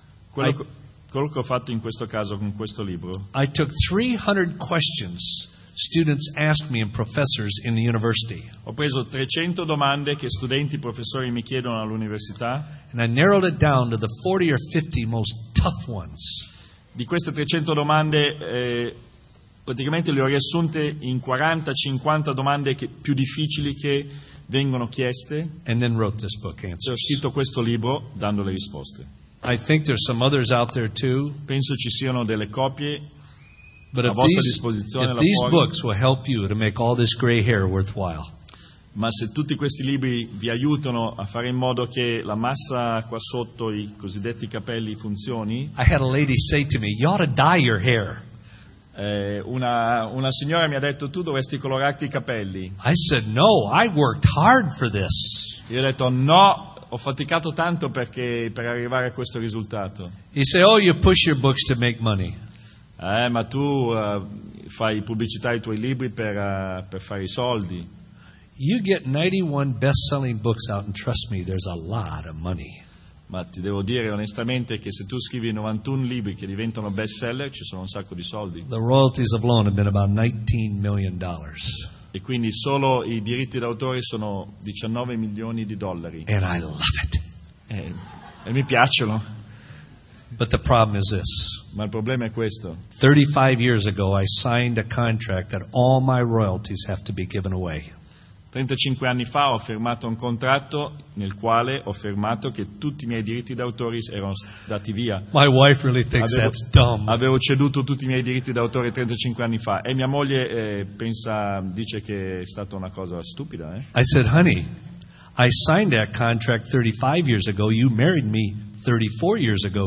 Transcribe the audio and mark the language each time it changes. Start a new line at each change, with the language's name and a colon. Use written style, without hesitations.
Italian: quello che ho fatto in questo caso con questo libro.
English: I took 300 questions students asked me and professors in the university.
Italian: Ho preso 300 domande che studenti e professori mi chiedono all'università.
English: And I narrowed it down to the 40 or 50 most tough ones.
Italian: Di queste 300 domande praticamente le ho riassunte in 40-50 domande più difficili che vengono chieste.
English: And then wrote this book, Answers.
Italian: E ho scritto questo libro dando le risposte.
English: I think there's some others out there too.
Italian: Penso ci siano delle copie a vostra disposizione.
English: But if these books will help you to make all this gray hair worthwhile.
Italian: Ma se tutti questi libri vi aiutano a fare in modo che la massa qua sotto, i cosiddetti capelli, funzioni.
English: I had a lady say to me, "You ought to dye your hair."
Italian: Una signora mi ha detto: tu dovresti colorarti i capelli.
English: I said no, I worked hard for this.
Italian: Io ho detto no, ho faticato tanto perché per arrivare a questo risultato.
English: He said, oh, you push your books to make money.
Italian: Ma tu fai pubblicità ai tuoi libri per fare i soldi.
English: You get 91 best-selling books out, and trust me, there's a lot of money.
Italian: Ma ti devo dire onestamente che se tu scrivi 91 libri che diventano bestseller, ci sono un sacco di soldi.
English: The royalties alone have been about $19 million.
Italian: E quindi solo i diritti d'autore sono 19 milioni di dollari.
English: And I love it.
Italian: E mi piacciono.
English: But the problem is this.
Italian: Ma il problema è questo.
English: 35 years ago I signed a contract that all my royalties have to be given away.
Italian: 35 anni fa ho firmato un contratto nel quale ho firmato che tutti i miei diritti d'autore erano dati via.
English: My wife really thinks that's dumb.
Italian: Avevo ceduto tutti i miei diritti d'autore 35 anni fa e mia moglie dice che è stata una cosa stupida.
English: I said, honey, I signed that contract 35 years ago. You married me 34 years ago.